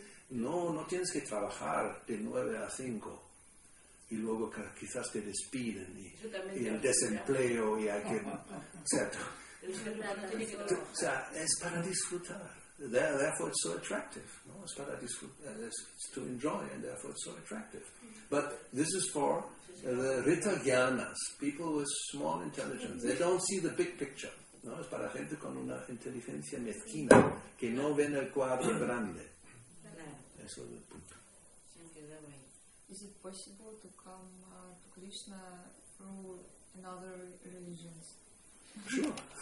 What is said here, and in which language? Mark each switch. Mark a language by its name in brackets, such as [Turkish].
[Spanish] No tienes que trabajar de 9-5 y luego quizás te despiden y el desempleo y hay que, ¿cierto? O sea, es para disfrutar. [English] Therefore it's so attractive. [Spanish] No, es para disfrutar, [English] it's to enjoy, and therefore it's so attractive. But this is for the Rita Gyanas, people with small intelligence. They don't see the big picture. [Spanish] No, es para gente con una inteligencia mezquina que no ven el cuadro grande. [English] Is it possible to come to Krishna through another religions? Sure.